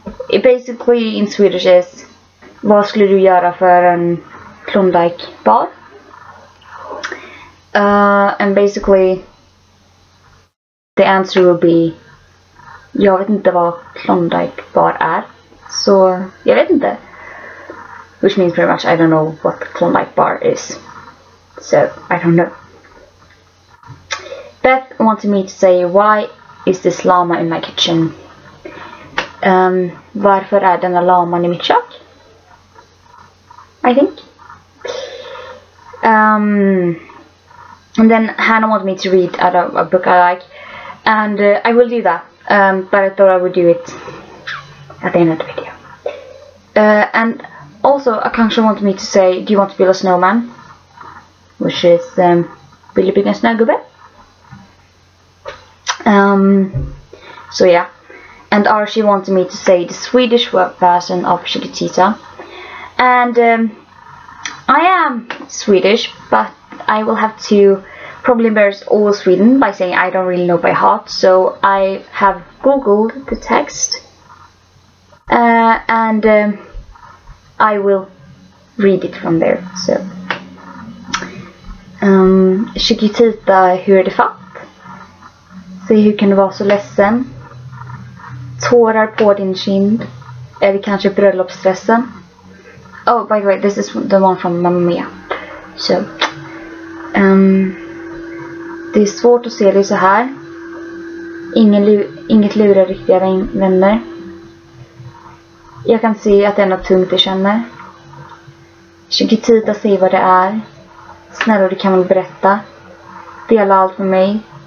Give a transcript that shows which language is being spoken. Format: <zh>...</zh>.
<en>It basically in Swedish is</en> <sv>vad skulle du göra för en Klondike bar?</sv> <en>And basically the answer will be</en> <sv>jag vet inte vad Klondike bar är, så jag vet inte,</sv> <en>which means pretty much I don't know what Klondike bar is, so I don't know. Beth wanted me to say, why is this llama in my kitchen?</en> <sv>Varför är denna llama i mitt kök?</sv> <en>I think. And then Hannah wanted me to read out of a book I like. And I will do that. But I thought I would do it at the end of the video. And also, Akanksha wanted me to say, do you want to build a snowman? Which is, will you build a snowgubbe? So yeah, and Archie wanted me to say the Swedish version of Chiquitita, and I am Swedish, but I will have to probably embarrass all Sweden by saying I don't really know by heart, so I have googled the text, and I will read it from there.</en> <sv>So Chiquitita, hur är det fatt? Se hur kan du vara så ledsen? Tårar på din kind. Eller kanske bröllopsstressen.</sv> <en>Oh, by the way, this is the one from Mamma Mia.</en> <sv>So, det är svårt att se dig så här. Inget lurar riktiga vänner. Jag kan se att det är något tungt du känner. Tjugo tid att se vad det är. Snälla, du kan väl berätta. Dela allt med mig.</sv>